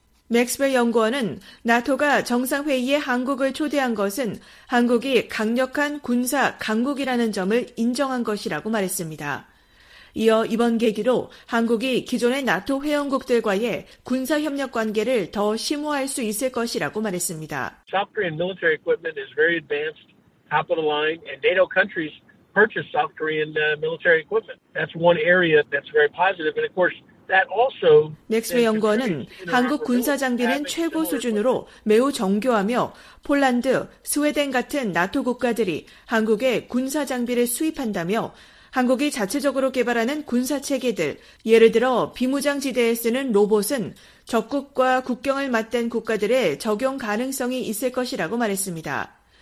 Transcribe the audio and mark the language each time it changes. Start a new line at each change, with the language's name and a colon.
Korean: 맥스웰 연구원은 나토가 정상회의에 한국을 초대한 것은 한국이 강력한 군사 강국이라는 점을 인정한 것이라고 말했습니다. 이어 이번 계기로 한국이 기존의 나토 회원국들과의 군사협력 관계를 더 심화할 수 있을 것이라고 말했습니다.
English: South Korean military equipment is very advanced, top of the line, and NATO countries purchase South Korean military equipment. That's one area that's very positive, and of course,
Korean: 맥스웰 연구원은 한국 군사 장비는 최고 수준으로 매우 정교하며 폴란드, 스웨덴 같은 나토 국가들이 한국에 군사 장비를 수입한다며 한국이 자체적으로 개발하는 군사 체계들, 예를 들어 비무장지대에 쓰는 로봇은 적국과 국경을 맞댄 국가들의 적용 가능성이 있을 것이라고 말했습니다.